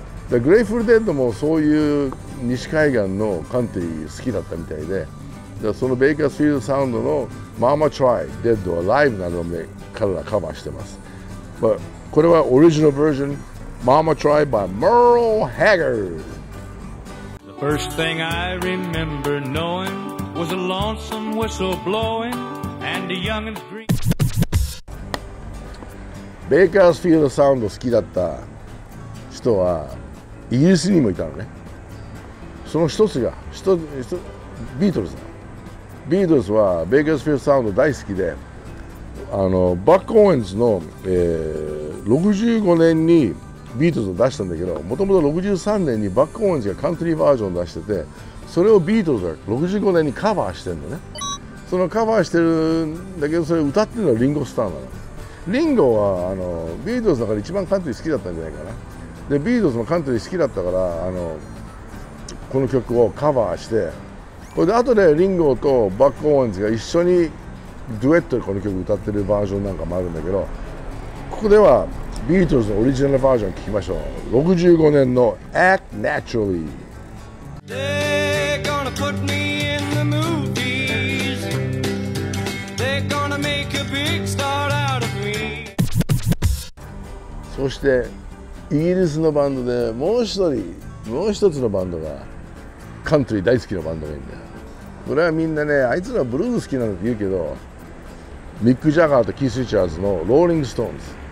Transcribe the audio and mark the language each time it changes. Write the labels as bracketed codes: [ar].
[ja] でグレイフルデッドもそういう西海岸のカントリー好きだったみたい でそのベイカースフィールドサウンドの Mama Try デッドはライブなどで彼らカバーしてます。 [en] But、 [ja] これはオリジナルバージョン Mama Try by Merle Haggard。 [en] The first thing I remember knowing was a lonesome whistle blowing and a youngin's dream。 [ja] ベイカースフィールドサウンド好きだった人はイギリスにもいたのね。その一つがビートルズ。ビートルズはベイカースフィールドサウンド大好きで、バック・オーエンズの、65年にビートルズを出したんだけど、もともと63年にバック・オーエンズがカントリーバージョンを出してて、それをビートルズが65年にカバーしてるのね。そのカバーしてるんだけど、それ歌ってるのはリンゴ・スターなの。リンゴはビートルズの中で一番カントリー好きだったんじゃないかな。でビートルズもカントリー好きだったから、この曲をカバーして、これで後でリンゴとバック・オーエンズが一緒にデュエットでこの曲歌ってるバージョンなんかもあるんだけど、ここではビートルズのオリジナルバージョン聴きましょう。 65年の Act Naturally。 [en] They're gonna put me in the movies、 They're gonna make a big start [ja] そしてイギリスのバンドでもう一人、もう一つのバンドがカントリー大好きなバンドがいるんだよ。これはみんなね、あいつらブルーズ好きなんだって言うけど、ミック・ジャガーとキース・リチャーズのローリング・ストーンズ。